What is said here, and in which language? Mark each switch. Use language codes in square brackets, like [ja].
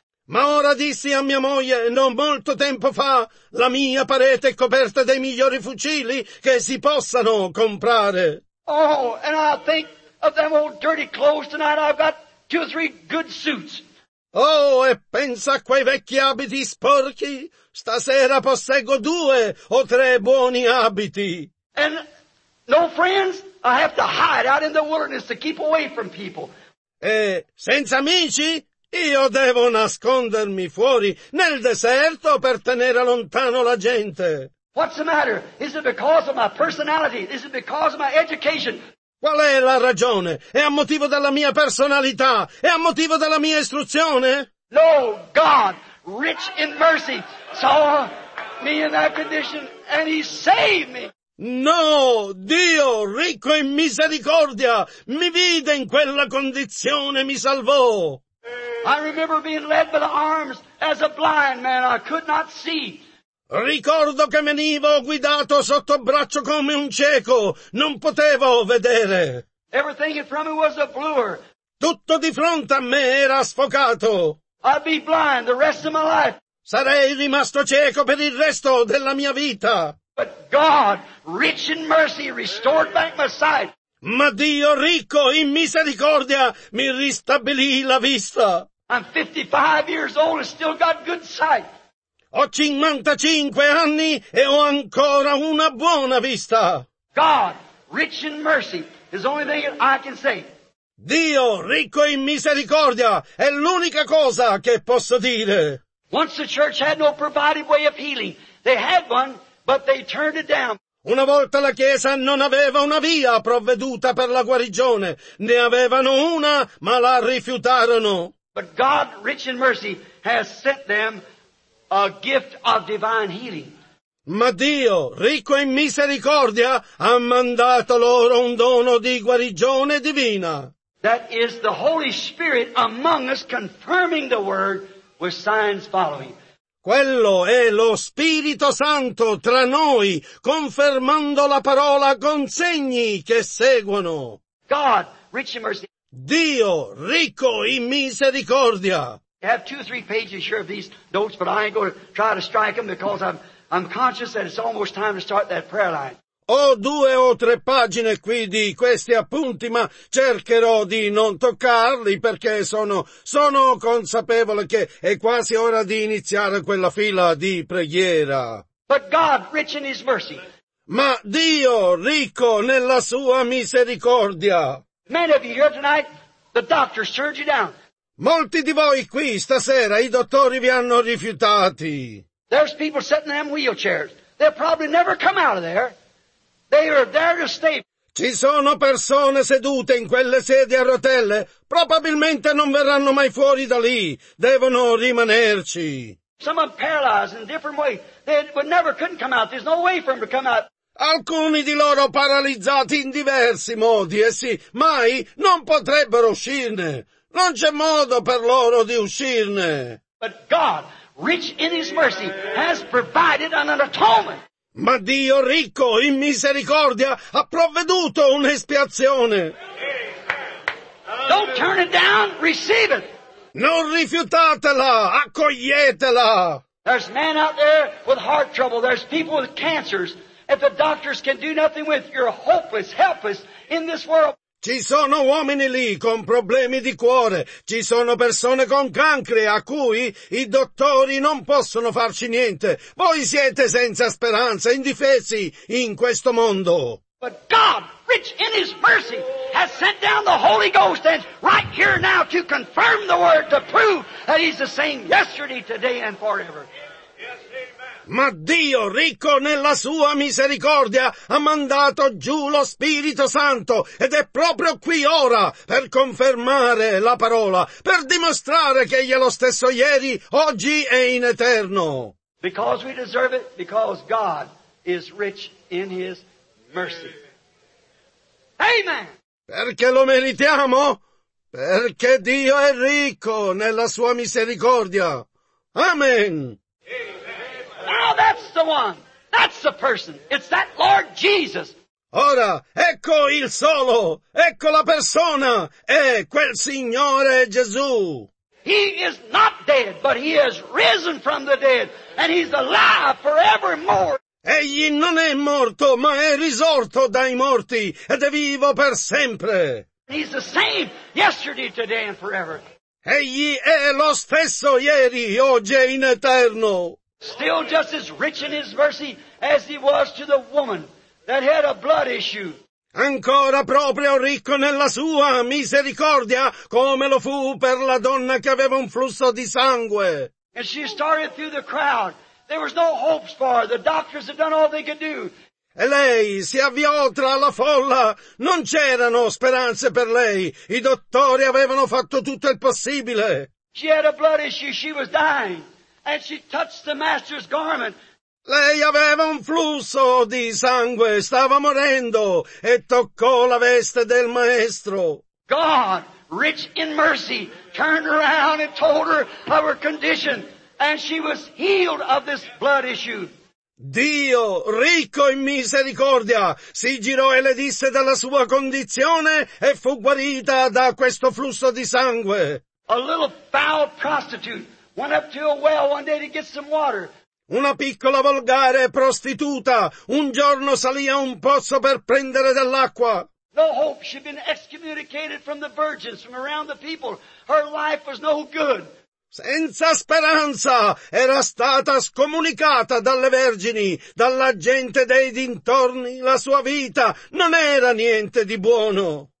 [it] Ma ora dissi a mia moglie, non molto tempo fa, la mia parete è coperta dei migliori fucili che si possano comprare. [en] Oh, and I think of them old dirty clothes tonight, I've got two or three good suits. [it] Oh, e pensa a quei vecchi abiti sporchi. Stasera posseggo due o tre buoni abiti. [en] And no friends, I have to hide out in the wilderness to keep away from people. [it] E senza amici, io devo nascondermi fuori nel deserto per tenere lontano la gente. [en] What's the matter? Is it because of my personality? Is it because of my education? [it] Qual è la ragione? È a motivo della mia personalità? È a motivo della mia istruzione? [en] No, God, rich in mercy, saw me in that condition and he saved me. [it] No, Dio, ricco in misericordia, mi vide in quella condizione e mi salvò. [en] I remember being led by the arms as a blind man, I could not see. [it] Ricordo che venivo guidato sotto braccio come un cieco, non potevo vedere. [en] Everything in front of me was a blur. [it] Tutto di fronte a me era sfocato. [en] I'd be blind the rest of my life. [it] Sarei rimasto cieco per il resto della mia vita. [en] But God, rich in mercy, restored back my sight. [it] Ma Dio, ricco in misericordia, mi ristabilì la vista. [en] I'm 55 years old and still got good sight. [it] Ho 55 anni e ho ancora una buona vista. [en] God, rich in mercy, is the only thing I can say. [it] Dio, ricco in misericordia, è l'unica cosa che posso dire. [en] Once the church had no provided way of healing. They had one, but they turned it down. [it] Una volta la Chiesa non aveva una via provveduta per la guarigione. Ne avevano una, ma la rifiutarono. [en] But God, rich in mercy, has sent them a gift of divine healing. [it] Ma Dio, ricco in misericordia, ha mandato loro un dono di guarigione divina. [en] That is the Holy Spirit among us confirming the word with signs following. [it] Quello è lo Spirito Santo tra noi, confermando la parola con segni che seguono. [en] God, rich in mercy. [it] Dio, ricco in misericordia. [en] I have two or three pages here of these notes, but I ain't going to try to strike them because I'm conscious that it's almost time to start that prayer line. [it] Ho due o tre pagine qui di questi appunti, ma cercherò di non toccarli perché sono consapevole che è quasi ora di iniziare quella fila di preghiera. [en] But God, rich in His mercy. [it] Ma Dio, ricco nella sua misericordia. [en] Many of you here tonight, the doctors turned you down. [it] Molti di voi qui stasera, i dottori vi hanno rifiutati. [en] There's people sitting in wheelchairs. They'll probably never come out of there. They are there to stay. [it] Ci sono persone sedute in quelle sedie a rotelle. Probabilmente non verranno mai fuori da lì. Devono rimanerci. [en] Some are paralyzed in a different way. They would never couldn't come out. There's no way for them to come out. [it] Alcuni di loro paralizzati in diversi modi. Essi mai non potrebbero uscirne. Non c'è modo per loro di uscirne. [en] But God, rich in His mercy, has provided an atonement. [it] Ma Dio ricco in misericordia ha provveduto un'espiazione. [en] Don't turn it down, receive it. [it] Non rifiutatela, accoglietela. [en] There's men out there with heart trouble. There's people with cancers. If the doctors can do nothing with, you're hopeless, helpless in this world. [it] Ci sono uomini lì con problemi di cuore. Ci sono persone con cancri a cui i dottori non possono farci niente. Voi siete senza speranza, indifesi in questo mondo. [en] But God, rich in His mercy, has sent down the Holy Ghost and right here now to confirm the word, to prove that He's the same yesterday, today and forever. [it] Ma Dio, ricco nella sua misericordia, ha mandato giù lo Spirito Santo ed è proprio qui ora per confermare la parola, per dimostrare che egli è lo stesso ieri, oggi e in eterno. [en] Because we deserve it, because God is rich in His mercy. Amen! [it] Perché lo meritiamo? Perché Dio è ricco nella sua misericordia. Amen! [en] Now that's the one. That's the person. It's that Lord Jesus. [it] Ora, ecco il solo. Ecco la persona. È quel Signore Gesù. [en] He is not dead, but He has risen from the dead. And He's alive forevermore. [it] Egli non è morto, ma è risorto dai morti. Ed è vivo per sempre. [en] He's the same yesterday, today and forever. [it] Egli è lo stesso ieri, oggi e in eterno. [en] Still just as rich in His mercy as He was to the woman that had a blood issue. [it] Ancora proprio ricco nella sua misericordia come lo fu per la donna che aveva un flusso di sangue. [en] And she started through the crowd. There was no hopes for her. The doctors had done all they could do. [it] E lei si avviò tra la folla. Non c'erano speranze per lei. I dottori avevano fatto tutto il possibile. [en] She had a blood issue. She was dying. And she touched the master's garment. [it] Lei aveva un flusso di sangue, stava morendo, e toccò la veste del maestro. [en] God, rich in mercy, turned around and told her of her condition, and she was healed of this blood issue. [it] Dio, ricco in misericordia, si girò e le disse della sua condizione e fu guarita da questo flusso di sangue. [en] A little foul prostitute. Went up to a well one day to get some water. [it] Una piccola volgare prostituta un giorno salì a un pozzo per prendere dell'acqua. [en] No hope. She'd been excommunicated from the virgins, from around the people. Her life was no good. [it] Senza speranza era stata scomunicata dalle vergini, dalla gente dei dintorni. La sua vita non era niente di buono.